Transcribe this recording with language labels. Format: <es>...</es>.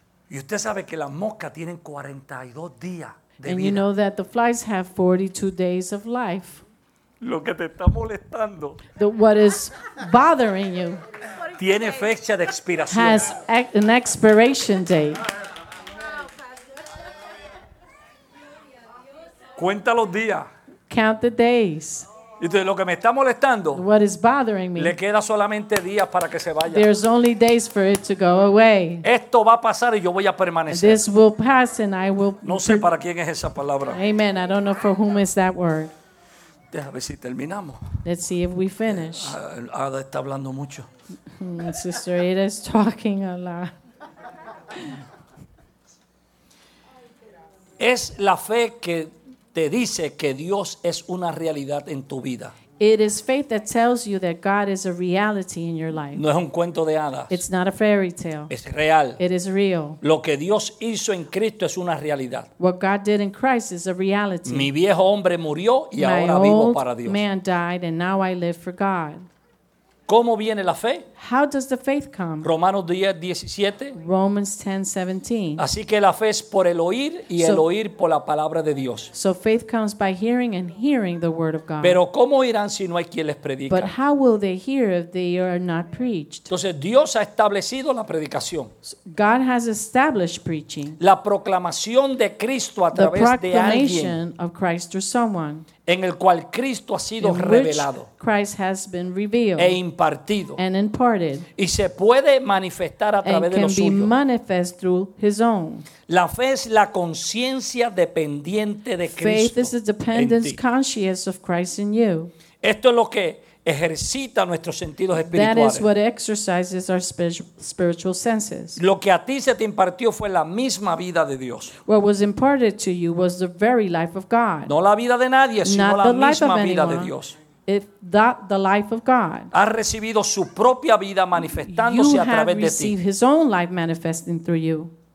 <es>Y usted sabe que las moscas tienen 42 días de vida.</es> <en>And you know that the flies have 42 days of life.</en> <es>Lo que te está molestando.</es> <en>What is bothering you.</en> <es>Tiene fecha de expiración.</es> <en>Has an expiration date.</en> <es>Cuenta los días.</es> <en>Count the days.</en> <es>Entonces, lo que me está molestando.</es> <en>What is bothering me.</en> <es>Le queda solamente días para que se vaya.</es> <en>There's only days for it to go away.</en> <es>Esto va a pasar y yo voy a permanecer.</es> <en>This will pass and I will.</en> <es>No sé para quién es esa palabra.</es> <en>Amen. I don't know for whom is that word.</en> <es>Deja ver si terminamos.</es> <en>Let's see if we finish.</en> <es>Ada está hablando mucho.</es> <en>Sister Ada is talking a lot.</en> <es>Es la fe que te dice que Dios es una realidad en tu vida.</es> <en>It is faith that tells you that God is a reality in your life.</en> <es>No es un cuento de hadas.</es> <en>It's not a fairy tale.</en> <es>Es real.</es> <en>It is real.</en> <es>Lo que Dios hizo en Cristo es una realidad.</es> <en>What God did in Christ is a reality.</en> <es>Mi viejo hombre murió y</es> <en>My</en> <es>ahora vivo para Dios.</es> <en>My old man died and now I live for God.</en> <es>¿Cómo viene la fe?</es> <en>How does the faith come?</en> <es>Romanos 10:17.</es> <en>Romans 10:17.</en> <es>Así que la fe es por el oír y el oír por la palabra de Dios.</es> <en>So faith comes by hearing and hearing the word of God.</en> <es>Pero ¿cómo oirán si no hay quien les predica?</es> <en>But how will they hear if they are not preached?</en> <es>Entonces Dios ha establecido la predicación.</es> <en>God has established preaching.</en> <es>La proclamación de Cristo a través de alguien.</es> <en>The proclamation of Christ through someone.</en> <es>En el cual Cristo ha sido revelado.</es> <en>Christ has been revealed.</en> <es>E impartido.</es> <en>And imparted.</en> <es>Y se puede manifestar a través de lo suyo.</es> <en>And can be manifest through his own.</en> <es>La fe es la conciencia dependiente de Cristo.</es> <en>Faith is the dependence conscious of Christ in you.</en> <es>Esto es lo que ejercita nuestros sentidos espirituales.</es> <en>That is what exercises our spiritual senses.</en> <es>Lo que a ti se te impartió fue la misma vida de Dios.</es> <en>What was imparted to you was the very life of God.</en> <es>No la vida de nadie, sino</es> <en>Not</en> <es>la misma vida de Dios.</es> <en>If that the life of God.</en> <es>Ha recibido su propia vida manifestándose</es> <en>you</en> <es>a través de ti.</es> <en>You have received his own life manifesting through you.</en>